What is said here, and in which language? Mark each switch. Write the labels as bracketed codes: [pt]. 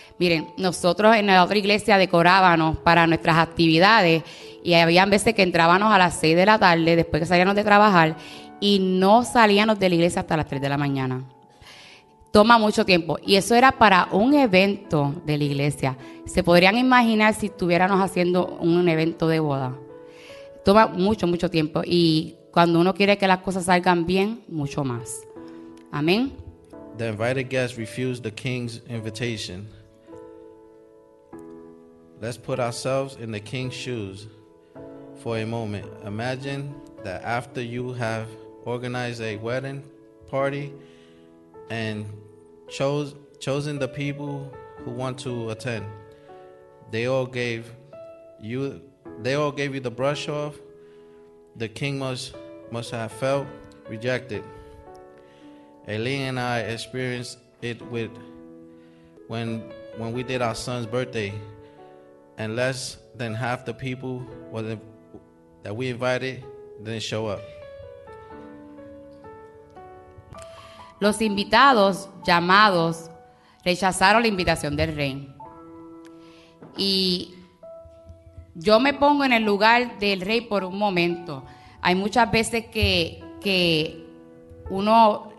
[es] Miren, nosotros en la otra iglesia decorábamos para nuestras actividades y había veces que entrábamos a las 6 de la tarde después que salíamos de trabajar y no salíamos de la iglesia hasta las 3 de la mañana. Toma mucho tiempo. Y eso era para un evento de la iglesia. ¿Se podrían imaginar si estuviéramos haciendo un evento de boda? Toma mucho, mucho tiempo. Y cuando uno quiere que las cosas salgan bien, mucho más. Amén. [en] The invited guests refused the king's invitation. Let's put ourselves in the king's shoes for a moment. Imagine that after you have organized a wedding party and chosen the people who want to attend, they all gave you the brush off. The king must have felt rejected. Aileen and I experienced it when we did our son's birthday, and less than half the people that we invited didn't show up. [es] Los invitados llamados rechazaron la invitación del rey. Y yo me pongo en el lugar del rey por un momento. Hay muchas veces que uno